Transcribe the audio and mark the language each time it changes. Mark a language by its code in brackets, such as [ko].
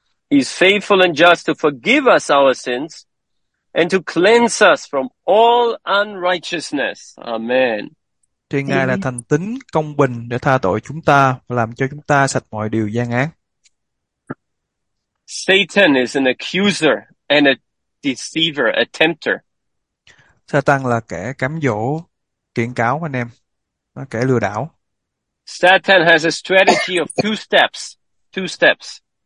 [en] He's faithful and just to forgive us our sins and to cleanse us from all unrighteousness. Amen. [vi] Trên Ngài là thành tín, công bình để tha tội chúng ta và làm cho chúng ta sạch mọi điều gian ác. [en] Satan is an accuser and a deceiver, a tempter. [vi] Satan là kẻ cám dỗ, kiện cáo anh em, là kẻ lừa đảo. [en] Satan has a strategy of two steps, two steps.